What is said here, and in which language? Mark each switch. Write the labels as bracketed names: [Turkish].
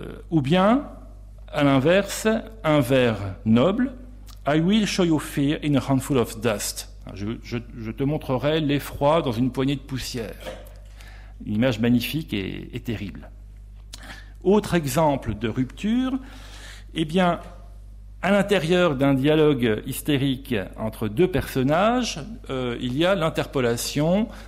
[French] Ou bien, à l'inverse, un vers noble. [English] I will show you fear in a handful of dust. [French] Je te montrerai l'effroi dans une poignée de poussière. Une image magnifique et terrible. Autre exemple de rupture, eh bien, à l'intérieur d'un dialogue hystérique entre deux personnages, il y a l'interpolation